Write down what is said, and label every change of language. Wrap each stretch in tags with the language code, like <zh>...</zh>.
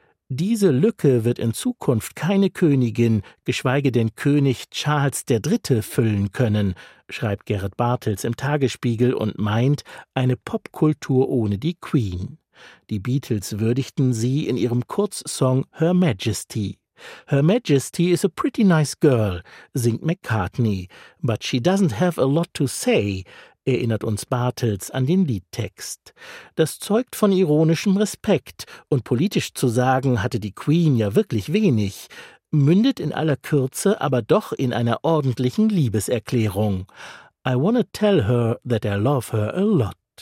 <de>Diese Lücke wird in Zukunft keine Königin, geschweige denn König Charles III. Füllen können, schreibt Gerrit Bartels im Tagesspiegel und meint, eine Popkultur ohne die Queen. Die Beatles würdigten sie in ihrem Kurzsong Her Majesty.</de> <en>Her Majesty is a pretty nice girl,</en> <de>singt McCartney,</de> <en>but she doesn't have a lot to say,</en> <de>erinnert uns Bartels an den Liedtext. Das zeugt von ironischem Respekt, und politisch zu sagen, hatte die Queen ja wirklich wenig, mündet in aller Kürze aber doch in einer ordentlichen Liebeserklärung.</de> <en>I wanna tell her that I love her a lot.</en>